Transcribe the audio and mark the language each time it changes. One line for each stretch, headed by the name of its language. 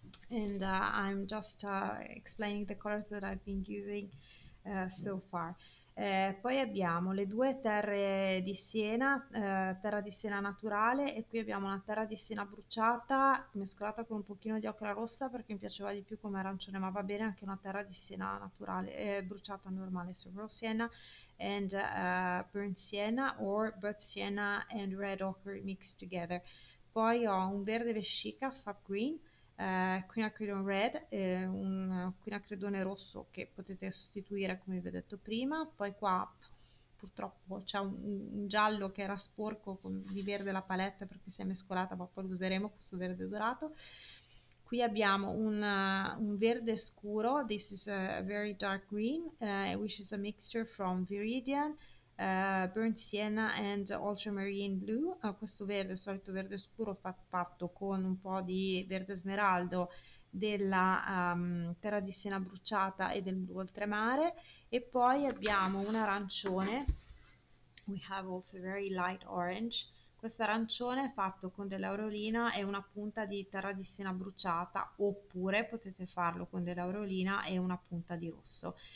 English: And I'm just explaining the colors that I've been using so far.
Italian: Poi abbiamo le due terre di Siena, terra di Siena naturale, e qui abbiamo una terra di Siena bruciata mescolata con un pochino di ocra rossa perché mi piaceva di più come arancione, ma va bene anche una terra di Siena naturale, bruciata normale, Sovro Siena,
English: and Burnt Siena or Burnt Siena and Red Ochre mixed together.
Italian: Poi ho un verde vescica, sap green. Quinacridone red, un quinacridone rosso che potete sostituire come vi ho detto prima. Poi qua purtroppo c'è un giallo che era sporco con di verde la paletta per cui si è mescolata, ma poi lo useremo questo verde dorato. Qui abbiamo un verde scuro,
English: this is a very dark green, which is a mixture from Viridian, Burnt Sienna and Ultramarine Blue.
Italian: Questo verde, il solito verde scuro, fatto con un po' di verde smeraldo della terra di Siena bruciata e del blu oltremare. E poi abbiamo un arancione,
English: we have also very light orange.
Italian: Questo arancione è fatto con dell'aurolina e una punta di terra di Siena bruciata, oppure potete farlo con dell'aurolina e una punta di rosso.